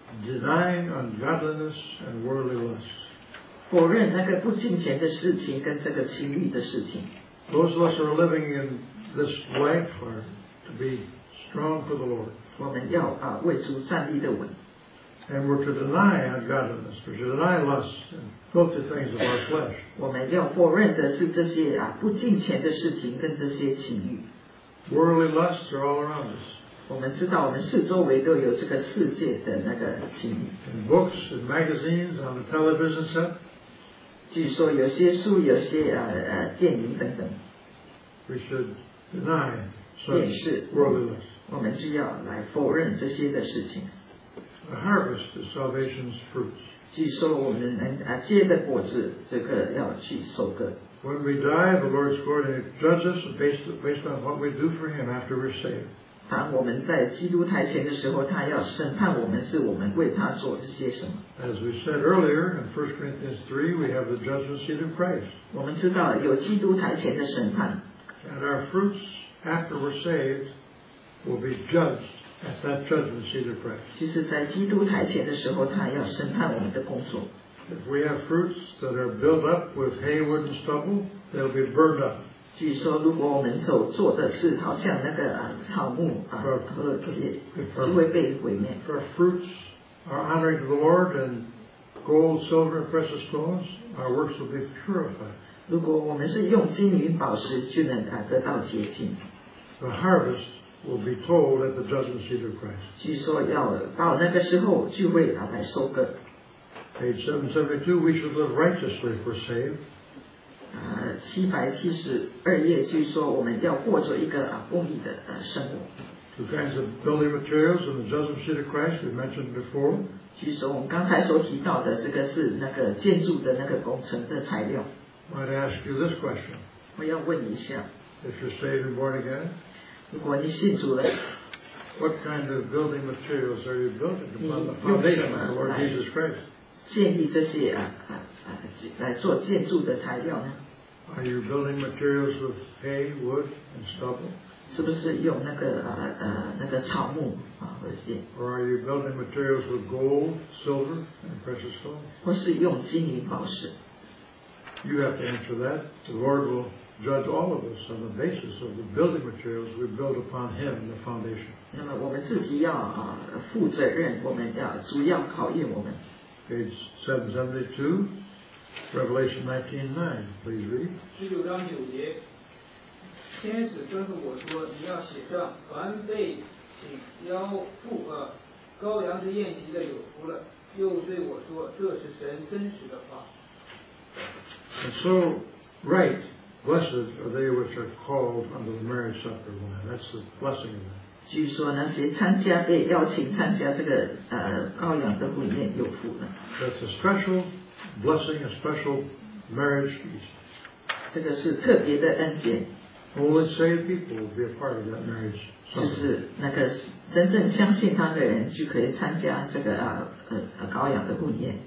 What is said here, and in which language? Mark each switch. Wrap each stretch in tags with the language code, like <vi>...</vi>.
<en>Denying ungodliness and worldly lusts.</en> <zh>否认那个不敬虔的事情跟这个情欲的事情。</zh> <en>Those of us who are living in this life are to be strong for the Lord.</en> <zh>我们要为主站立的稳。</zh> <en>And we're to deny ungodliness, we're to deny lusts and filthy things of our flesh.</en> <zh>我们要否认的是这些不敬虔的事情跟这些情欲。</zh> <en>Worldly lusts are all around us.</en> <zh>我们知道我们四周围都有这个世界的那个情欲。</zh> <en>In books, in magazines, on the television set.</en> <zh>据说有些书，有些电影等等。</zh> <en>We should deny such worldly lusts.</en> <zh>我们就要来否认这些的事情。</zh> <en>The harvest is salvation's fruits.</en> <zh>据说我们能结的果子，这个要去收割。</zh> <en>When we die, the Lord is going to judge us based on what we do for Him after we're saved.</en> <zh>当我们在基督台前的时候，他要审判我们，是我们为他做这些什么。</zh> <en>As we said earlier in 1 Corinthians 3, we have the judgment seat of Christ.</en> <zh>我们知道有基督台前的审判。</zh> <en>And our fruits after we're saved will be judged. At that judgment seat of Christ.</en> <zh>其实在基督台前的时候，他要审判我们的工作。</zh> <en>If we have fruits that are built up with hay, wood, and stubble, they'll be burned up.</en> <zh>据说如果我们所做的是好像那个草木啊，和这些就会被毁灭。</zh> <en>If our fruits are honoring to the Lord and gold, silver, precious stones, our works will be purified.</en> <zh>如果我们是用金银宝石，就能啊得到洁净。</zh> <en>The harvest will be told at the judgment seat of Christ.</en> <zh>据说要到那个时候就会啊来收割。</zh> <en>Page 772, we should live righteously if we're saved.</en> <zh>772页据说我们要过着一个公义的生活。</zh> <en>Two kinds of building materials in the judgment seat of Christ we mentioned before.</en> <zh>据说我们刚才所提到的这个是那个建筑的那个工程的材料。</zh> <en>I'd ask you this question.</en> <zh>我要问一下。</zh> <en>If you're saved and born again.</en> <zh>如果你信主了。</zh> <en>What kind of building materials are you building upon the foundation of the Lord Jesus Christ?</en> <zh>建立这些来做建筑的材料呢</zh> <en>？Are you building materials with hay, wood, and stubble？</en> <zh>是不是用那个那个草木或者</zh> <en>？Or are you building materials with gold, silver, and precious stone？</en> <zh>或是用金银宝石</zh> <en>？You have to answer that. The Lord will judge all of us on the basis of the building materials we build upon Him, the foundation.</en> <zh>那么我们自己要负责任，我们要主要考验我们。</zh> <en>Page 772, Revelation 19:9, please read.</en> <zh>十九章九节，天使吩咐我说：“你要写上，凡被请邀赴羔羊之宴席的有福了。” 又对我说：“这是神真实的话。”</zh> <en>And so, right, blessed are they which are called unto the marriage supper of the Lamb. That's the blessing of them.</en> <zh>据说那些参加被邀请参加这个羔羊的婚宴有福了。</zh> <en>That's a special blessing, a special marriage feast.</en> <zh>这个是特别的恩典。</zh> <en>Only saved people will be a part of that marriage.</en> <zh>就是那个真正相信他的人就可以参加这个羔羊的婚宴。</zh>